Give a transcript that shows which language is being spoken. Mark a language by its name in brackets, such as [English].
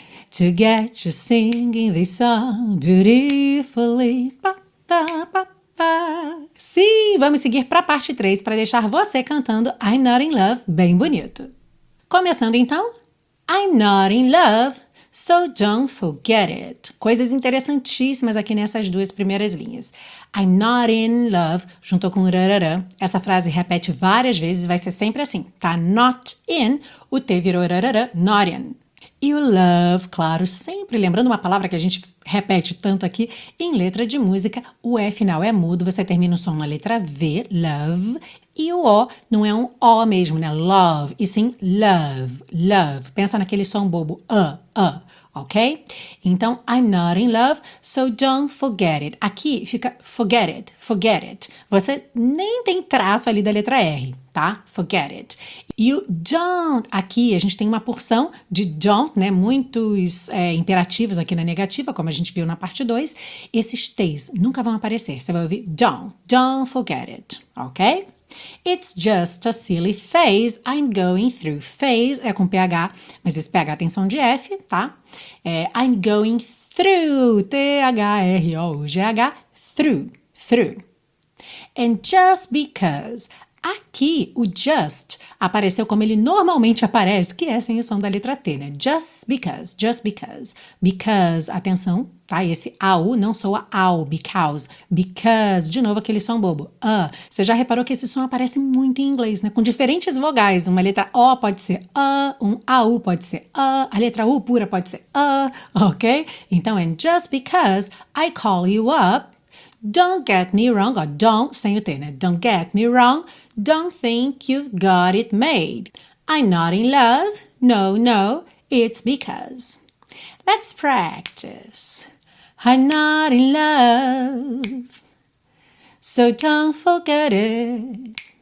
[English] To get you singing this song beautifully. Pa, pa, pa, pa. [Portuguese] Sim, vamos seguir para a parte 3 para deixar você cantando I'm Not In Love bem bonito. Começando então. [English] I'm not in love, so don't forget it. [Portuguese] Coisas interessantíssimas aqui nessas duas primeiras linhas. [English] I'm not in love, [Portuguese] juntou com rarara. Essa frase repete várias vezes e vai ser sempre assim, tá? [English] Not in, [Portuguese] o T virou rarara, not in. E o love, claro, sempre lembrando uma palavra que a gente repete tanto aqui, em letra de música, o E final é mudo, você termina o som na letra V, love, e o O não é um O mesmo, né? Love, e sim love, love. Pensa naquele som bobo, ok? Então, [English] I'm not in love, so don't forget it. [Portuguese] Aqui fica [English] forget it, forget it. [Portuguese] Você nem tem traço ali da letra R, tá? Forget it. E o don't, aqui a gente tem uma porção de don't, né? Muitos imperativos aqui na negativa, como a gente viu na parte 2. Esses T's nunca vão aparecer. Você vai ouvir [English] don't forget it, [Portuguese] ok? [English] It's just a silly phase, I'm going through. [Portuguese] Phase é com PH, mas esse PH tem som de F, tá? É, [English] I'm going through, [Portuguese] T-H-R-O-U-G-H, through. [English] And just because, [Portuguese] aqui o just apareceu como ele normalmente aparece, que é sem o som da letra T, né? [English] Just because. [Portuguese] Because, atenção, tá? E esse au não soa au, because. Because, de novo aquele som bobo, Você já reparou que esse som aparece muito em inglês, né? Com diferentes vogais, uma letra O pode ser um au pode ser a letra U pura pode ser ok? Então, [English] and just because I call you up, don't get me wrong, [Portuguese] ou [English] don't, [Portuguese] sem o T, né? [English] Don't get me wrong, don't think you've got it made. I'm not in love, no, it's because. Let's practice. I'm not in love, so don't forget it.